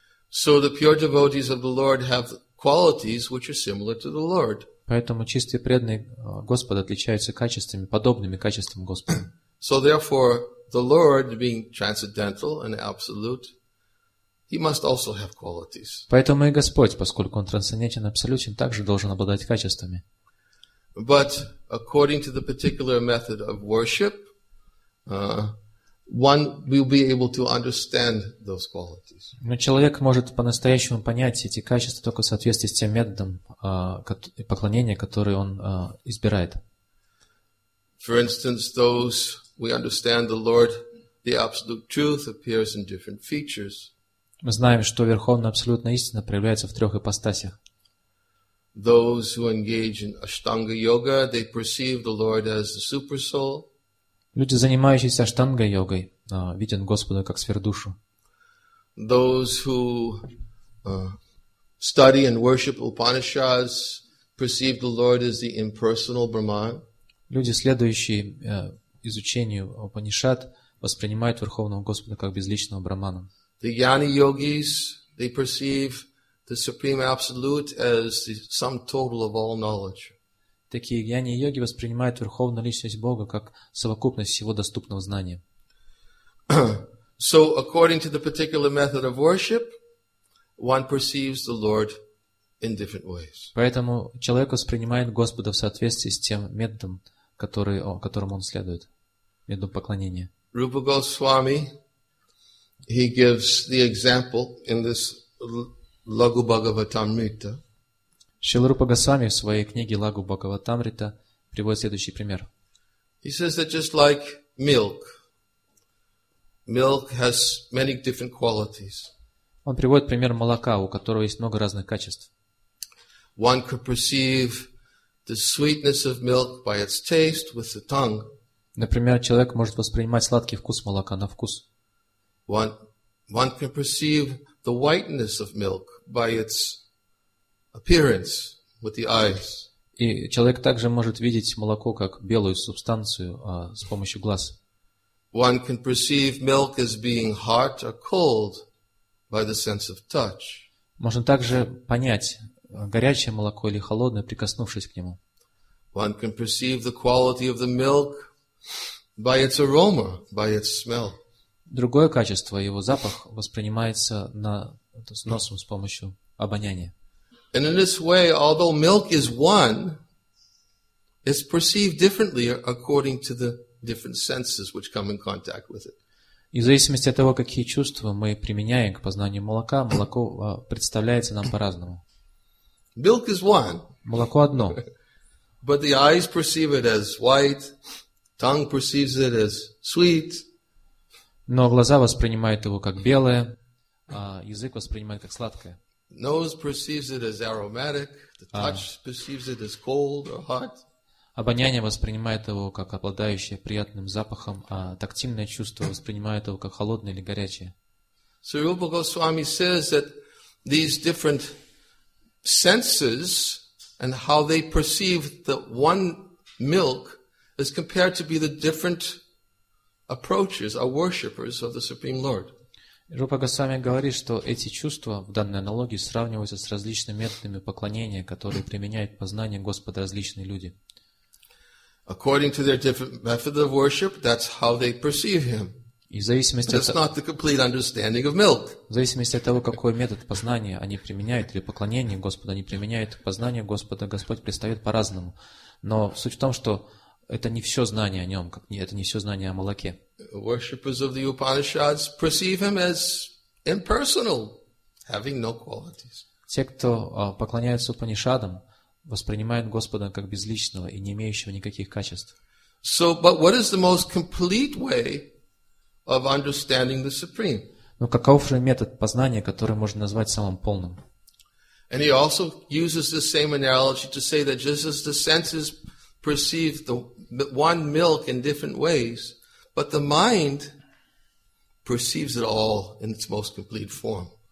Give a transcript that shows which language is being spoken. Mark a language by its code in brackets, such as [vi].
[en] So the pure devotees of the Lord have qualities which are similar to the Lord. [ru] Поэтому чистые преданные Господа отличаются качествами, подобными качествам Господа. [en] So therefore, the Lord, being transcendental and absolute, He must also have qualities. [ru] Поэтому и Господь, поскольку Он трансцендентен и абсолютен, также должен обладать качествами. [en] But according to the particular method of worship, one will be able to understand those qualities. [ru] Но человек может по-настоящему понять эти качества только в соответствии с тем методом поклонения, который он избирает. [en] For instance, those we understand the Lord, the absolute truth appears in different features. [ru] Мы знаем, что Верховная Абсолютная Истина проявляется в трех ипостасях. [en] Those who engage in Ashtanga Yoga, they perceive the Lord as the Supersoul. [ru] Люди, занимающиеся Аштанга-йогой, видят Господа как сверхдушу. [en] Those who study and worship Upanishads perceive the Lord as the impersonal Brahman. [ru] Люди, следующие изучению Упанишад, воспринимают Верховного Господа как безличного Брахмана. [en] The Jnani Yogis, they perceive the Supreme Absolute as the sum total of all knowledge. [ru] Такие гьяни-йоги воспринимают Верховную Личность Бога как совокупность всего доступного знания. [en] So, according to the particular method of worship, one perceives the Lord in different ways. [ru] Поэтому человек воспринимает Господа в соответствии с тем методом, которым он следует, методом поклонения. [en] Rupa Goswami, he gives the example in this Laghu Bhagavatamrita. [ru] Шрила Рупа Госвами в своей книге «Лагу Бхагаватамрита» приводит следующий пример. [en] He says that just like milk, milk has many different qualities. [ru] Он приводит пример молока, у которого есть много разных качеств. [en] One could perceive the sweetness of milk by its taste with the tongue. [ru] Например, человек может воспринимать сладкий вкус молока на вкус. [en] One can perceive the whiteness of milk by its appearance with the eyes. [ru] И человек также может видеть молоко как белую субстанцию с помощью глаз. [en] One can perceive milk as being hot or cold by the sense of touch. [ru] Можно также понять, горячее молоко или холодное, прикоснувшись к нему. [en] One can perceive the quality of the milk by its aroma, by its smell. [ru] Другое качество, его запах, воспринимается с носом с помощью обоняния. [en] And in this way, although milk is one, it's perceived differently according to the different senses which come in contact with it. [ru] И в зависимости от того, какие чувства мы применяем к познанию молока, молоко представляется нам по-разному. [en] Milk is one. [ru] Молоко одно. [en] But the eyes perceive it as white, tongue perceives it as sweet. [ru] Но глаза воспринимают его как белое, а язык воспринимает как сладкое. [en] Nose perceives it as aromatic, the touch perceives it as cold or hot. [ru] Обоняние воспринимает его как обладающее приятным запахом, а тактильное чувство воспринимает его как холодное или горячее. [en] So Rupa Goswami says that these different senses and how they perceive the one milk is compared to be the different approaches or worshippers of the Supreme Lord. [ru] Рупа Госвами говорит, что эти чувства в данной аналогии сравниваются с различными методами поклонения, которые применяют познание Господа различные люди. [en] According to their different method of worship, that's how they perceive Him. [ru] В зависимости от того, какой метод познания они применяют или поклонения Господа, они применяют познание Господа, Господь предстает по-разному. Но суть в том, что это не все знание о Нем, это не все знание о молоке. [en] Worshippers of the Upanishads perceive Him as impersonal, having no qualities. [ru] Те, кто поклоняются Упанишадам, воспринимают Господа как безличного и не имеющего никаких качеств. [en] So, but what is the most complete way of understanding the Supreme? [ru] Но каков же метод познания, который можно назвать самым полным? [en] And he also uses the same analogy to say that just as the senses perceive the one milk in different ways, But the mind perceives it all in its most complete form.